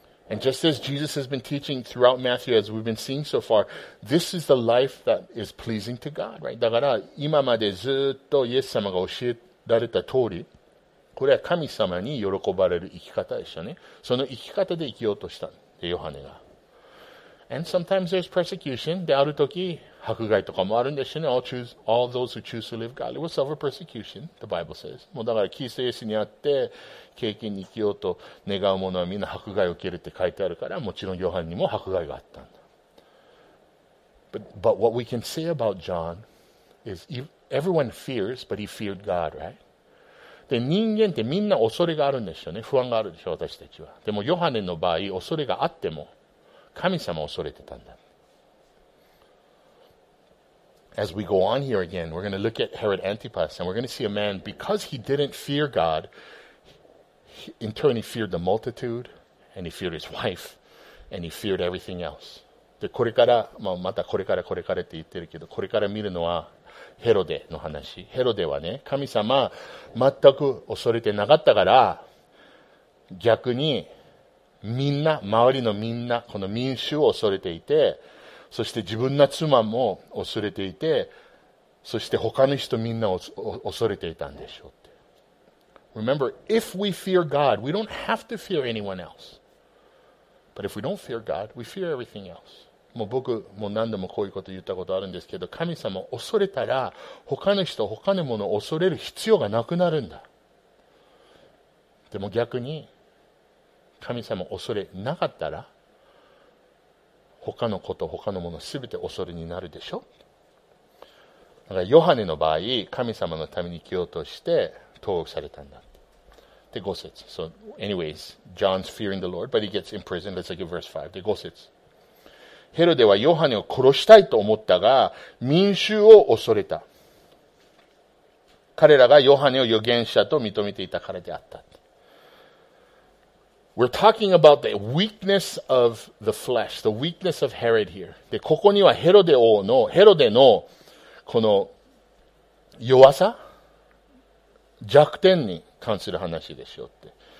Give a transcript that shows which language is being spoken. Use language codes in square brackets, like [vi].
[en] And just as Jesus has been teaching throughout Matthew, as we've been seeing so far, this is the life that is pleasing to God, right? [ja] だから、今までずっとイエス様が教えられた通り、これは神様に喜ばれる生き方でしたね。その生き方で生きようとしたんで、ヨハネが。 [en] And sometimes there's persecution. [ja] で、ある時、迫害とかもあるんでしたね。 [en] All those who choose to live godly will suffer persecution, the Bible says. [ja] もうだから、キリストイエスにあって、経験に生きようと願う者はみんな迫害を受けるって書いてあるから、もちろんヨハネにも迫害があったんだ。 [en] But what we can say about John is everyone fears, but he feared God, right? [ja] で、人間ってみんな恐れがあるんですよね。不安があるでしょ、私たちは。でもヨハネの場合、恐れがあっても、神様を恐れてたんだ。 [en] As we go on here again, we're going to look at Herod Antipas, and we're going to see a man, because he didn't fear God,In turn, he feared the multitude, and he feared his wife, and he feared everything else. [ja] で、これから、まあ、またこれからこれからって言ってるけど、これから見るのはヘロデの話。ヘロデはね、神様全く恐れてなかったから、逆にみんな、周りのみんな、この民衆を恐れていて、そして自分の妻も恐れていて、そして他の人みんな恐れていたんでしょう。 [en] Remember, if we fear God, we don't have to fear anyone else. But if we don't fear God, we fear everything else. [ja] もう僕も何度もこういうこと言ったことあるんですけど、神様を恐れたら他の人、他のものを恐れる必要がなくなるんだ。でも逆に、神様を恐れなかったら他のこと、他のものすべて恐れになるでしょ。だからヨハネの場合、神様のために生きようとして、投獄されたんだ。で、5節。 [en] So, anyways, John's fearing the Lord, but he gets imprisoned. Let's look at verse 5. [ja] で、5節。ヘロデはヨハネを殺したいと思ったが、民衆を恐れた。彼らがヨハネを預言者と認めていたからであった。 [en] We're talking about the weakness of the flesh, the weakness of Herod here. [ja] で、ここにはヘロデのこの弱さ弱点に関する話でしょうって。